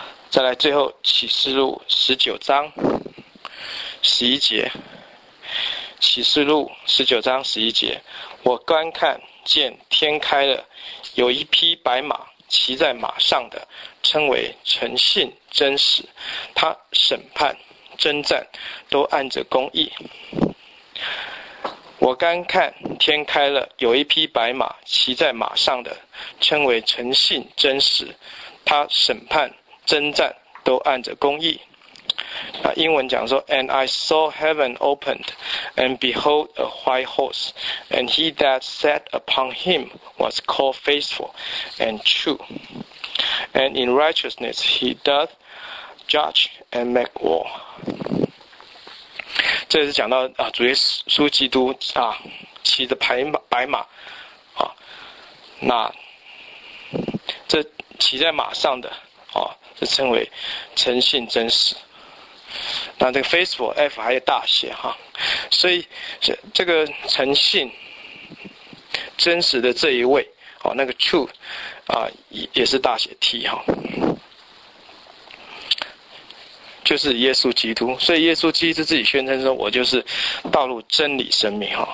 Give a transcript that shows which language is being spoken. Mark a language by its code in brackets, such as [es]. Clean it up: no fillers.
[zh] 再来最后启示录19:11，启示录19:11，我观看见天开了，有一匹白马，骑在马上的称为诚信真实，他审判征战都按着公义。我观看天开了，有一匹白马，骑在马上的称为诚信真实，他审判征战都按着公义。英文讲说 [en] And I saw heaven opened, and behold a white horse, and he that sat upon him was called faithful and true. And in righteousness he doth judge and make war. [zh] 这是讲到主耶稣基督骑着白马那这骑在马上的是称为诚信真实。那这个 faithful F 还有大写所以这个诚信真实的这一位那个 true 也是大写 T 就是耶稣基督，所以耶稣基督自己宣称说我就是道路真理生命